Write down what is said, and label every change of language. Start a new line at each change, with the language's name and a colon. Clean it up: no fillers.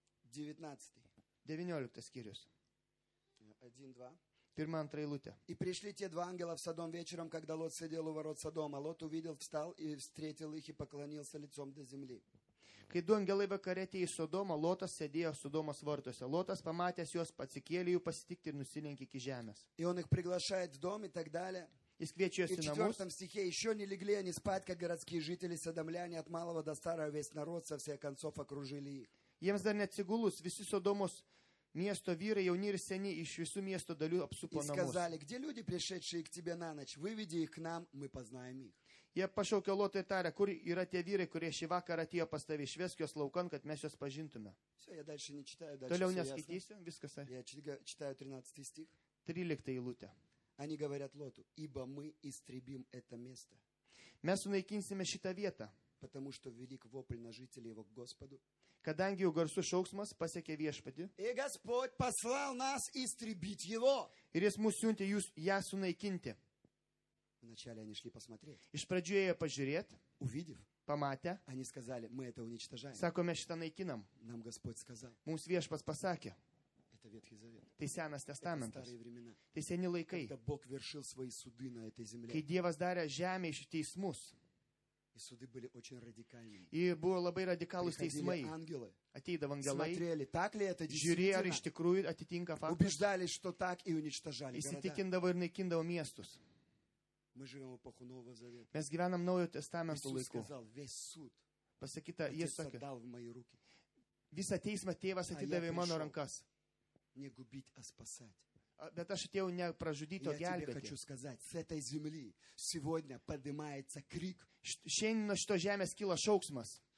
Russian: 19. Девинёлюкта скирюс. 1-2. И пришли те два ангела в Содом вечером, когда Лот сидел у ворот Содома. Лот увидел, встал и встретил их и поклонился лицом до земли.
Lithuanian: Kai du angelai vakare atėjo į Sodomą, Lotas sėdėjo Sodomos vartuose. Lotas pamatęs juos pasikėlė jų pasitikti ir nusilenkė iki žemės.
Russian: И он их приглашает в дом и так далее.
Lithuanian: Jis kviečia juos į namus.
Russian: И в четвертом стихе еще не легли они спать, как городские жители содомляне от малого до старого весь народ со всех концов окружили их.
Lithuanian: Jiems dar neatsigulus, visi Sodomos Miesto vyrai, jauni ir seni, iš visų miesto dalių apsupo namus.
Russian: И сказали, где люди, пришедшие к тебе на ночь? Выведи их к нам, мы познаем их.
Lithuanian: Jie pašaukė Lotą ir tarė, kur yra tie vyrai, kurie šį vakarą atėjo pas tave, išvesk juos laukan, kad mes juos pažintume.
Russian: Все, я дальше не читаю, дальше
Lithuanian: Toliau neskaitysiu, viskas.
Russian: Я читаю 13 стих.
Lithuanian: 13 eilutė.
Russian: Они говорят Лоту, ибо мы истребим это место.
Lithuanian: Mes sunaikinsime šitą vietą.
Russian: Потому что велик вопль на жителей его к Господу.
Lithuanian: Kadangi jų garsų šauksmas pasiekė viešpatį.
Russian: И Господь послал нас истребить его.
Lithuanian: Ir jis mūsų siuntė jūs ją sunaikinti.
Russian: Вначале они шли посмотреть.
Lithuanian: Iš pradžių ėjo pažiūrėti.
Russian: Увидев.
Lithuanian: pamatę.
Russian: Они сказали, мы это уничтожаем.
Lithuanian: Sako, mes šitą naikinam.
Russian: Нам Господь сказал.
Lithuanian: Mums viešpas pasakė.
Russian: Это Ветхий Завет.
Lithuanian: Tai senas testamentas.
Russian: Старые времена.
Lithuanian: Tai seni laikai.
Russian: Когда Бог вершил свои суды на этой земле.
Lithuanian: Kai Dievas darė žemėje teismus.
Russian: И суды были очень радикальные. И было
Lithuanian: labai radikalūs teismai.
Russian: Ангелы.
Lithuanian: Ateidavo angelai.
Russian: Смотрели, так ли это действительно?
Lithuanian: Жюри, ar iš tikrųjų atitinka faktas.
Russian: Убеждали, что так и уничтожали города.
Lithuanian: Įsitikindavo ir naikindavo miestus.
Russian: Мы живем эпоху Нового Завета.
Lithuanian: Mes gyvenam Naujo Testamento laiku.
Russian: Иисус сказал, весь суд.
Lithuanian: Pasakyta, Jis sakė,
Russian: отдал в мои руки.
Lithuanian: Visą teismą Tėvas atidavė mano rankas.
Russian: Не губить, а спасать.
Lithuanian: Bet aš atėjau ne pražudyti, o gelbėti.
Russian: Я хочу сказать, с этой земли сегодня поднимается крик.
Lithuanian: Šiandien nuo šito žemės kyla šauksmas.